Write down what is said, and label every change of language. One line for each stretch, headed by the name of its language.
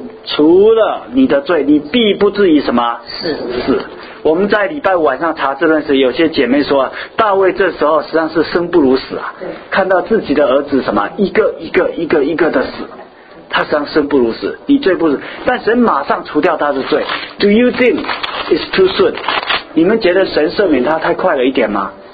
Chinese: 除了你的罪你必不至于什么是。我们在礼拜五晚上查这段时，有些姐妹说大卫这时候实际上是生不如死啊，看到自己的儿子什么一个一个一个一个的死，他实际上生不如死，你罪不如，但神马上除掉他的罪。
English: Do you think it's too soon?
Chinese: 你们觉得神赦免他太快了一点吗？